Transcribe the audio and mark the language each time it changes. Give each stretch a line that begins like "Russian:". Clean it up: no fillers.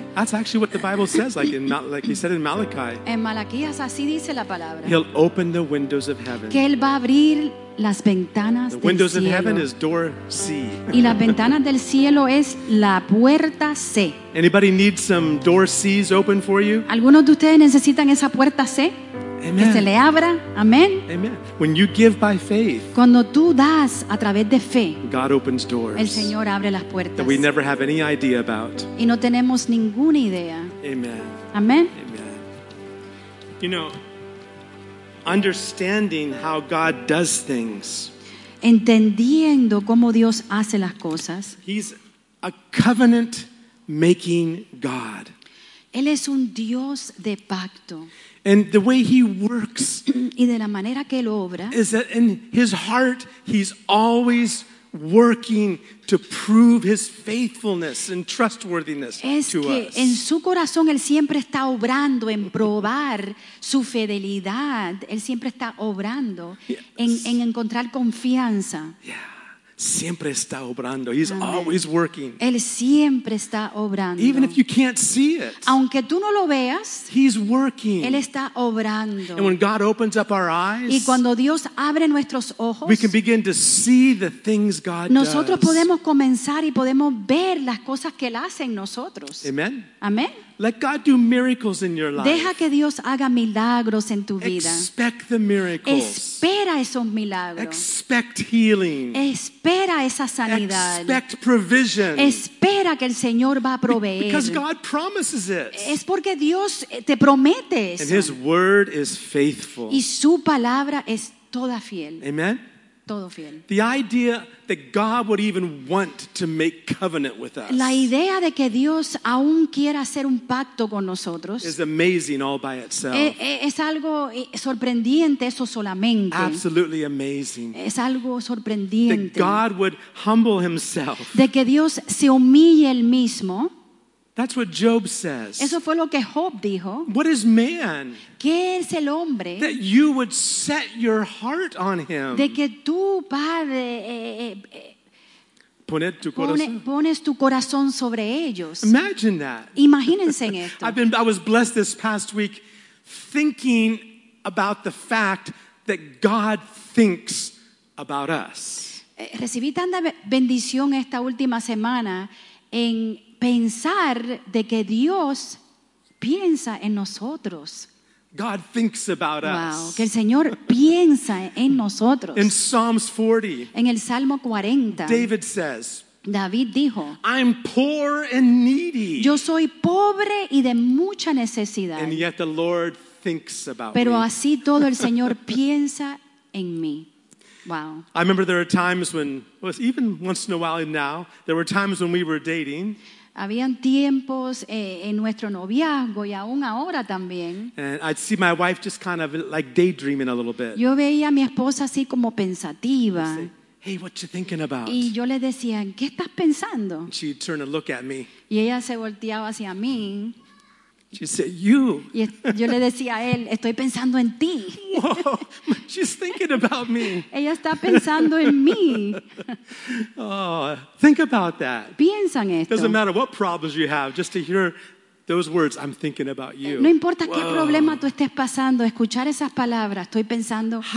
English: That's actually what the Bible says, like in, like he said in Malachi.
Spanish: En Malaquías así dice la palabra.
English: He'll open the windows of heaven.
Spanish: Que él va a abrir las ventanas del cielo.
English: Windows of heaven is door C.
Spanish: Y las ventanas del cielo es la puerta C.
English: Anybody need some door C's open for you?
Spanish: ¿Algunos de ustedes necesitan esa puerta C?
English: Amen.
Spanish: Que se le abra. Amén.
English: Amen. When you give by faith,
Spanish: cuando tú das a través de fe,
English: God opens doors,
Spanish: el Señor abre las puertas,
English: that we never have any idea about.
Spanish: Y no tenemos ninguna idea.
English: Amen.
Spanish: Amen.
English: Amen. You know, understanding how God does things,
Spanish: entendiendo cómo Dios hace las cosas,
English: he's a covenant making God.
Spanish: Él es un Dios de pacto.
English: And the way he works
Spanish: y de la manera que él obra,
English: is that in his heart he's always working to prove his faithfulness and trustworthiness
Spanish: es
English: to
Spanish: que
English: us.
Spanish: En su corazón él siempre está obrando en probar su fidelidad. Él siempre está obrando en encontrar confianza.
English: Yeah.
Spanish: Siempre está obrando.
English: He's Amen. Always working.
Spanish: Él siempre está obrando.
English: Even if you can't see it.
Spanish: Aunque tú no lo veas.
English: He's working.
Spanish: Él está obrando.
English: And when God opens up our eyes.
Spanish: Y cuando Dios abre nuestros ojos.
English: We can begin to see the things God
Spanish: nosotros Nosotros podemos comenzar y podemos ver las cosas que Él hace en nosotros.
English: Amen.
Spanish: Amen.
English: Let God do miracles in your life.
Spanish: Deja que Dios haga milagros en tu vida.
English: Expect the miracles.
Spanish: Espera esos milagros.
English: Expect healing.
Spanish: Espera esa sanidad.
English: Expect provision.
Spanish: Espera que el Señor va a proveer.
English: Because God promises it.
Spanish: Es porque Dios te promete eso.
English: And his word is faithful.
Spanish: Y su palabra es toda fiel.
English: Amen.
Spanish: Todo fiel.
English: The idea that God would even want to make covenant with us.
Spanish: La idea de que Dios aún quiera hacer un pacto con nosotros
English: is amazing all by itself.
Spanish: Es algo sorprendente eso solamente.
English: Absolutely amazing.
Spanish: Es algo sorprendente.
English: That God would humble himself.
Spanish: De que Dios se humille él mismo.
English: That's what Job says.
Spanish: Eso fue lo que Job dijo.
English: What is man?
Spanish: ¿Qué es el hombre?
English: That you would set your heart on him.
Spanish: De que tú, Padre, pones tu corazón sobre ellos.
English: Imagine that.
Spanish: Imagínense en esto.
English: I was blessed this past week thinking about the fact that God thinks about us.
Spanish: Recibí tanta bendición esta última semana en pensar de que Dios piensa en nosotros.
English: God thinks about wow, us.
Spanish: Que el Señor piensa en nosotros.
English: In Psalms 40.
Spanish: En el Salmo 40.
English: David says.
Spanish: David dijo.
English: I'm poor and needy.
Spanish: Yo soy pobre y de mucha necesidad.
English: And yet the Lord thinks about
Spanish: Pero Pero así todo el Señor piensa en mí.
English: Wow. I remember there are times when, well, even once in a while now, there were times when we were dating.
Spanish: Habían tiempos en nuestro noviazgo y aún ahora también.
English: And I'd see my wife just kind of like daydreaming a little bit.
Spanish: Yo veía a mi esposa así como pensativa.
English: Hey, what you thinking about?
Spanish: Y yo le decía, ¿qué estás pensando?
English: And she'd turn and look at me.
Spanish: Y ella se volteaba hacia mí.
English: She said, "You."
Spanish: Yo le decía a él, estoy pensando en ti.
English: Whoa, she's thinking about me.
Spanish: Ella está pensando en mí.
English: Oh, think about that.
Spanish: Piensa en esto.
English: Doesn't matter what problems you have, just to hear those words, I'm thinking about you.
Spanish: No importa qué problema tú estés pasando, escuchar esas palabras, estoy pensando en ti.